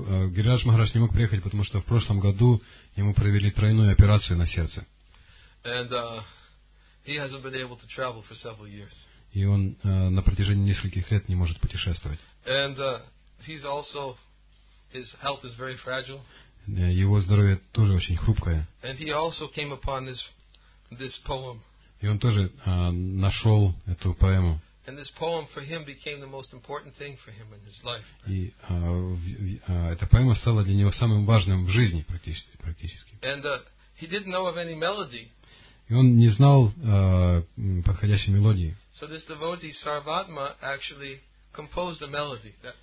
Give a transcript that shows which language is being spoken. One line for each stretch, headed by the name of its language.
Russian: Гирирадж Махарадж не мог приехать, потому что в прошлом году ему провели тройную операцию на сердце.
English: And he hasn't been able to travel for several years.
Russian: И он на протяжении нескольких лет не может путешествовать.
English: And he's also, his health is very fragile.
Russian: Его здоровье тоже очень хрупкое.
English: And he also came upon this poem.
Russian: И он тоже нашел эту поэму.
English: And this poem for him became the most important thing for him in his life.
Russian: Эта поэма стала для него самым важным в жизни практически.
English: And he didn't know of any melody.
Russian: И он не знал подходящей мелодии.
English: So this devotee Sarvatma actually composed a melody.